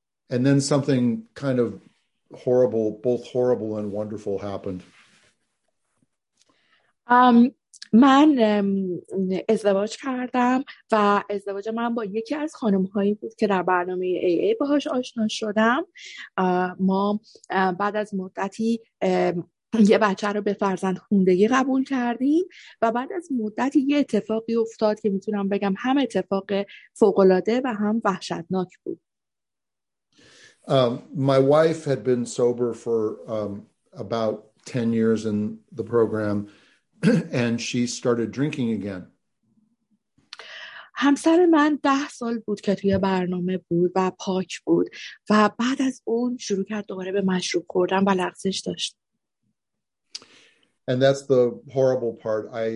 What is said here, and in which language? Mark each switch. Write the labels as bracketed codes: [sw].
[en] And then something kind of horrible, both horrible and wonderful happened. [fa] من ازدواج کردم و ازدواج من با یکی از خانم‌هایی بود که در برنامه AA باهاش آشنا شدم. ما بعد از مدتی یه بچه رو به فرزند خوندگی قبول کردیم و بعد از مدتی یه اتفاقی افتاد که میتونم بگم هم اتفاق فوق‌العاده و هم وحشتناک بود. [en] My wife had been sober for about 10 years in the program, and she started drinking again. [fa] همسر من 10 سال بود که توی برنامه بود و پاک بود و بعد از اون شروع کرد دوباره به مشروب خوردن و لغزش داشت. [en] And that's the horrible part.